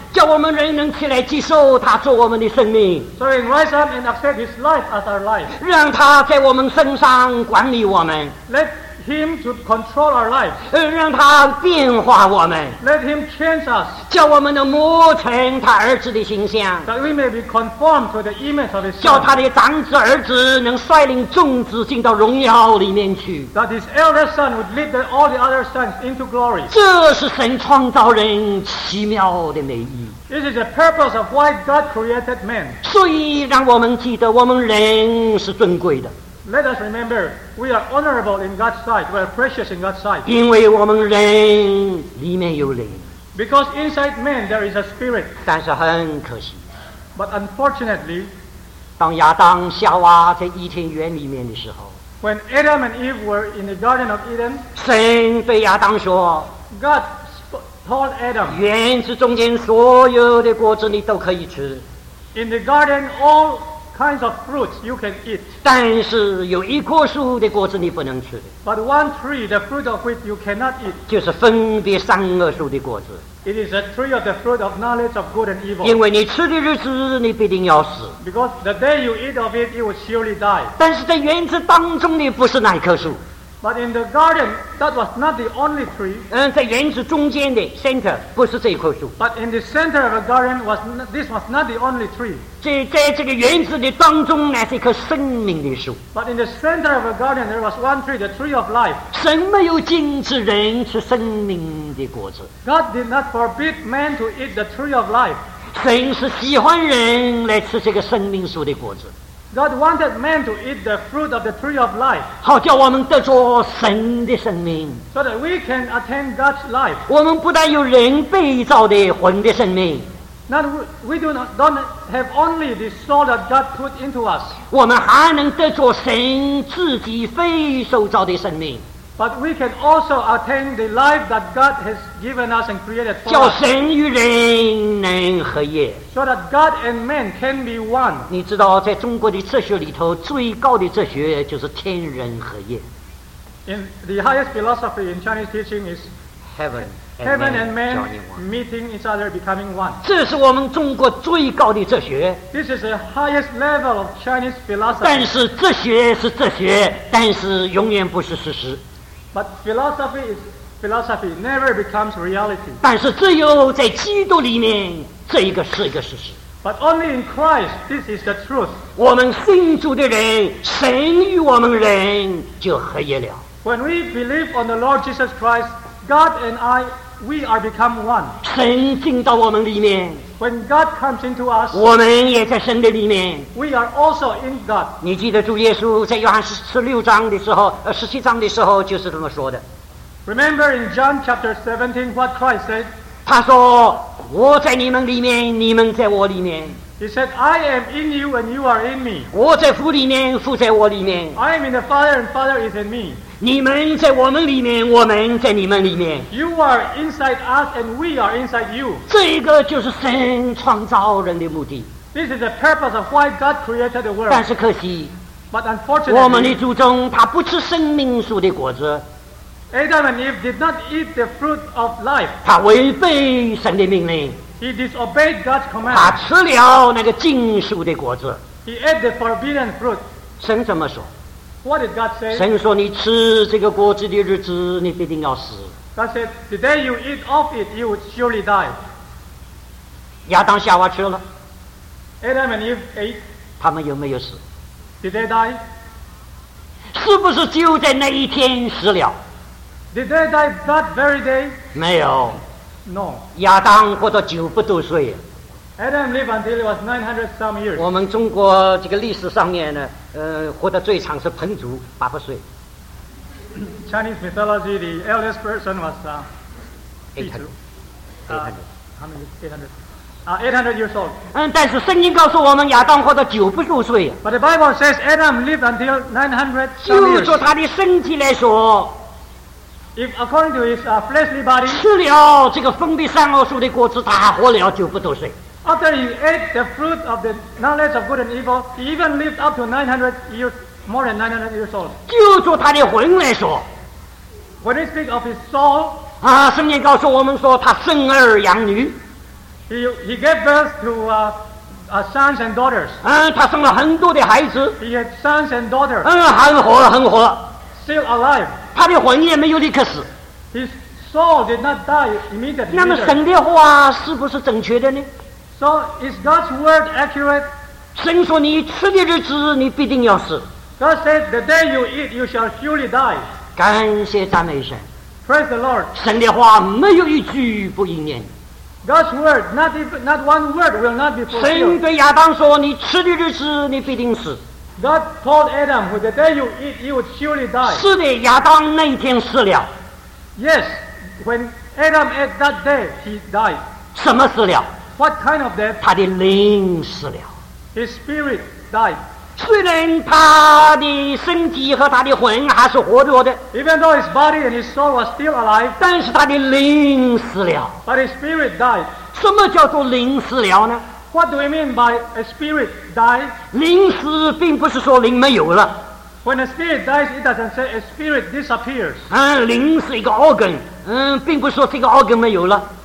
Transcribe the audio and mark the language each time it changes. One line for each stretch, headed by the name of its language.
Chinese: 叫我们人能起来接受他做我们的生命。
English: So we can rise up and accept his life as our life.
Chinese: 让他在我们身上管理我们。
English: Let him to control our life.
Chinese: 让他变化我们。
English: Let him change us.
Chinese: 叫我们能磨成他儿子的形象。
English: That we may be conformed to the image of his son.
Chinese: 叫他的长子儿子能率领众子进到荣耀里面去。
English: That his elder son would lead all the other sons into glory.
Chinese: 这是神创造人奇妙的美意。
English: This is the purpose of why God created man.
Chinese: 所以让我们记得我们人是尊贵的。
English: Let us remember, we are honorable in God's sight, we are precious in God's sight.
Chinese: 因为我们人里面有灵。
English: Because inside man there is a spirit.
Chinese: 但是很可惜。
English: But unfortunately,
Chinese: 当亚当夏娃在伊甸园里面的时候，
English: When Adam and Eve were in the Garden of Eden,
Chinese: 神对亚当说，
English: God told Adam,
Chinese: 园子中间所有的果子你都可以吃。
English: In the garden, all kinds of fruits you can eat.
Chinese: 但是有一棵树的果子你不能吃。
English: But one tree, the fruit of which you cannot eat.
Chinese: 就是分别善恶树的果子。
English: It is a tree of the fruit of knowledge of good and evil.
Chinese: 因为你吃的日子你必定要死。
English: Because the day you eat of it, you will surely die.
Chinese: 但是在园子当中的不是那棵树。
English: But in the garden, that was not the only tree.
Chinese: 在园子中间的 center 不是这棵树。
English: But in the center of the garden, this was not the only tree.
Chinese: 在这个园子的当中乃是一棵生命的树。
English: But in the center of the garden, there was one tree, the tree of life.
Chinese: 神没有禁止人吃生命的果子。
English: God did not forbid man to eat the tree of life.
Chinese: 神是喜欢人来吃这个生命树的果子。
English: God wanted man to eat the fruit of the tree of life.
Chinese: 好叫我们得着神的生命。
English: So that we can attain God's life.
Chinese: 我们不但有人被造的魂的生命。
English: Not we don't have only the soul that God put into us.
Chinese: 我们还能得着神自己非受造的生命。
English: But we can also attain the life that God has given us and created for us.
Chinese: 叫神与人能合一。
English: So that God and man can be one.
Chinese: 你知道，在中国的哲学里头，最高的哲学就是天人合一。
English: In the highest philosophy in Chinese teaching is heaven. Heaven and man meeting each other, becoming one.
Chinese: 这是我们中国最高的哲学。
English: This is the highest level of Chinese philosophy.
Chinese: 但是哲学是哲学，但是永远不是事实。
English: But philosophy is philosophy, never becomes reality.
Chinese: 但是只有在基督里面，这一个是一个事实。
English: But only in Christ, this is the truth.
Chinese: 我们信主的人，神与我们人就合一了。
English: When we believe on the Lord Jesus Christ, God and I, we are become one.
Chinese: 神进到我们里面。
English: When God comes into us,
Chinese: 我们也在神的里面。
English: We are also in God.
Chinese: 你记得主耶稣在约翰十七章的时候就是这么说的。
English: Remember in John chapter 17 what Christ said?
Chinese: 他说，我在你们里面，你们在我里面。
English: He said, I am in you and you are in me.
Chinese: 我在父里面，父在我里面。
English: I am in the Father and Father is in me.
Chinese: 你们在我们里面，我们在你们里面。
English: You are inside us, and we are inside you.
Chinese: 这一个就是神创造人的目的。
English: This is the purpose of why God created the world.
Chinese: 但是可惜
English: ，But unfortunately,
Chinese: 我们的祖宗他不吃生命树的果子。
English: Adam and Eve did not eat the fruit of life.
Chinese: 他违背神的命令。
English: He disobeyed God's command.
Chinese: 他吃了那个禁树的果子。
English: He ate the forbidden fruit.
Chinese: 神怎么说？
English: What did God say?
Chinese: 神说：“你吃这个果子的日子，你必定要死。”
English: God said, "The day you eat of it, you would surely die."
Chinese: 亚当夏娃吃了。
English: Adam and Eve ate.
Chinese: 他们有没有死
English: ？Did they die?
Chinese: 是不是就在那一天死了
English: ？Did they die that very day?
Chinese: 没有。
English: No.
Chinese: 亚当活到九百多岁。
English: Adam lived until he was 900 some years.
Chinese: 我们中国这个历史上面呢，活得最长是彭祖八百岁。
English: Chinese mythology, the eldest person was 800 years old.
Chinese: 但是圣经告诉我们，亚当活到九百多岁。
English: But the Bible says Adam lived until 900 some years.
Chinese: 就说他的身体来说。
English: If according to his fleshly body,
Chinese: 吃了这个分的善恶树的果子，他活了九百多岁。
English: After he ate the fruit of the knowledge of good and evil, he even lived up to 900 years, more than 900 years old.
Chinese: 就说他的魂来说
English: ，When he speaks of his soul,
Chinese: 啊，圣经告诉我们说他生儿养女
English: ，He gave birth to sons and daughters.
Chinese: 他生了很多的孩子
English: ，He had sons and daughters.
Chinese: 很活
English: ，Still alive.
Chinese: 他的魂也没有立刻死
English: ，His soul did not die immediately.
Chinese: 那么神的话是不是正确的呢？
English: So is God's word accurate?
Chinese: 神说你吃的日子你必定要死。
English: God said the day you eat you shall surely die.
Chinese: 感谢赞美神。
English: Praise the Lord.
Chinese: 神的话没有一句不应验。
English: God's word, not one word will not be fulfilled.
Chinese: 神对亚当说你吃的日子你必定死。
English: God told Adam, with the day you eat you would surely die.
Chinese: 是的，亚当那一天死了。
English: Yes, when Adam ate that day he died.
Chinese: 什么死了？
English: What kind of death?
Chinese: 他的灵死了。
English: His spirit died.
Chinese: 虽然他的身体和他的魂还是活着的。
English: Even though his body and his soul were still alive.
Chinese: 但是他的灵死了。
English: But his spirit died.
Chinese: 什么叫做灵死了呢？
English: What do we mean by a spirit died?
Chinese: 灵死并不是说灵没有了。
English: When a spirit dies, it doesn't say a spirit disappears.
Chinese: 灵是一个 organ, 并不是说这个 organ 没有了。